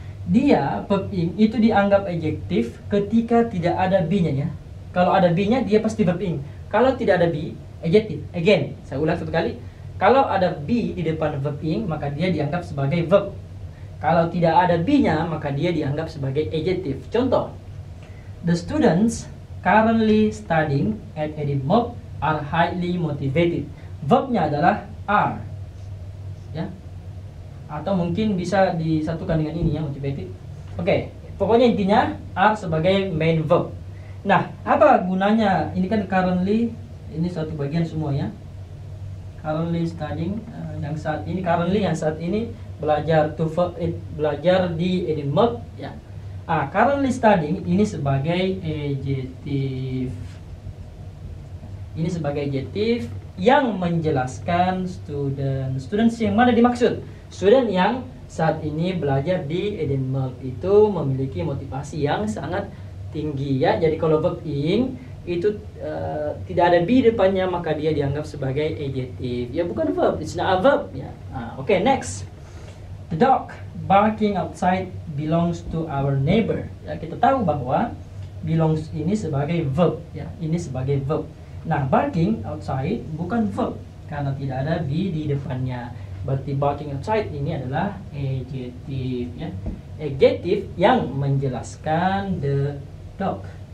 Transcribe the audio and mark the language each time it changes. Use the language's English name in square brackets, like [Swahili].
[Indonesian] Dia, verb ing, itu dianggap adjektif ketika tidak ada be-nya ya. Kalau ada be-nya, dia pasti verb ing. Kalau tidak ada be, adjektif. Again, saya ulang satu kali. Kalau ada be di depan verb ing, maka dia dianggap sebagai verb. Kalau tidak ada be-nya, maka dia dianggap sebagai adjektif. Contoh, [English] The students currently studying at Edinburgh are highly motivated. [Indonesian] Verbnya adalah are. Ya. Atau mungkin bisa disatukan dengan ini ya, motivated. Oke, okay. Pokoknya intinya are sebagai main verb. Nah, apa gunanya? Ini kan currently, ini satu bagian semua ya. Currently studying, yang saat ini, currently yang saat ini belajar to belajar di Edinburgh ya. Ah, currently studying ini sebagai adjective. Ini sebagai adjective yang menjelaskan student, students yang mana dimaksud. Student yang saat ini belajar di Edinburgh itu memiliki motivasi yang sangat tinggi ya. Jadi kalau verb-ing itu tidak ada be depannya, maka dia dianggap sebagai adjective. Ya bukan verb, [English] it's not a verb [Indonesian] ya. Ah, okay, next. [English] The dog barking outside belongs to our neighbor. [Indonesian] Ya, kita tahu bahwa belongs ini sebagai verb ya. Ini sebagai verb. Nah, barking outside bukan verb karena tidak ada be di depannya. Berarti barking outside ini adalah adjective ya. Adjective yang menjelaskan the dog.